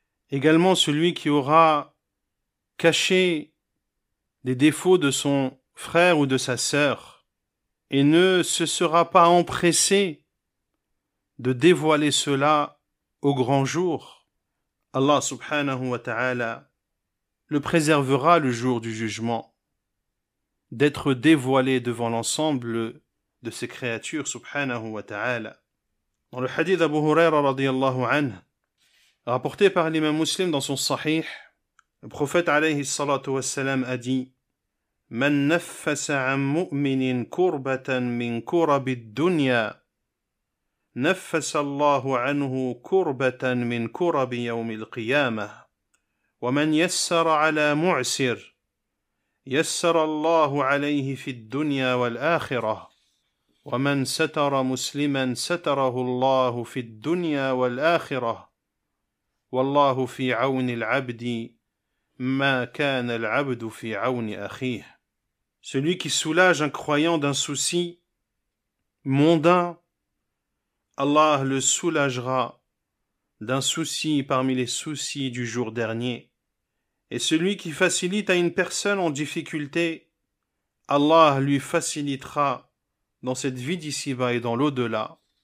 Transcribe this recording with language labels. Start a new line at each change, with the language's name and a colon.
French: Également celui qui aura caché les défauts de son frère ou de sa sœur et ne se sera pas empressé de dévoiler cela au grand jour, Allah subhanahu wa ta'ala le préservera le jour du jugement d'être dévoilé devant l'ensemble de ses créatures subhanahu wa ta'ala. Dans le hadith d'Abu Huraira radiyallahu anhu, rapporté par l'imam muslim dans son sahih, le prophète alayhi salatu wa salam a dit:
Arabic: من نفس عن مؤمن كربة من كرب الدنيا نفس الله عنه كربة من كرب يوم القيامة ومن يسر على معسر يسر الله عليه في الدنيا والآخرة ومن ستر مسلما ستره الله في الدنيا والآخرة والله في عون العبد ما كان العبد في عون أخيه.
French: Celui qui soulage un croyant d'un souci mondain, Allah le soulagera d'un souci parmi les soucis du jour dernier. Et celui qui facilite à une personne en difficulté, Allah lui facilitera dans cette vie d'ici-bas et dans l'au-delà.